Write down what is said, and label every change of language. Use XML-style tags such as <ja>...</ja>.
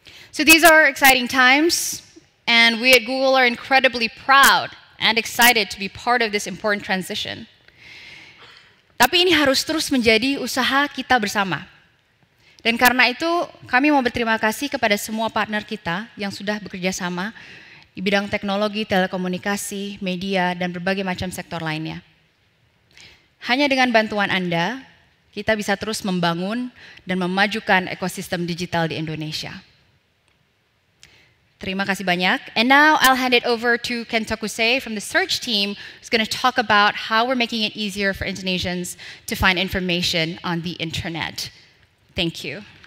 <en>So these are exciting times, and we at Google are incredibly proud and excited to be part of this important transition.</en> <id>Tapi ini harus terus menjadi usaha kita bersama. Dan karena itu, kami mau berterima kasih kepada semua partner kita yang sudah bekerja sama di bidang teknologi, telekomunikasi, media, dan berbagai macam sektor lainnya. Hanya dengan bantuan Anda, kita bisa terus membangun dan memajukan ekosistem digital di Indonesia. Terima kasih banyak.</id> <en>And now I'll hand it over to Ken Tokuse from the search team, who's going to talk about how we're making it easier for Indonesians to find information on the internet. Thank you.</en>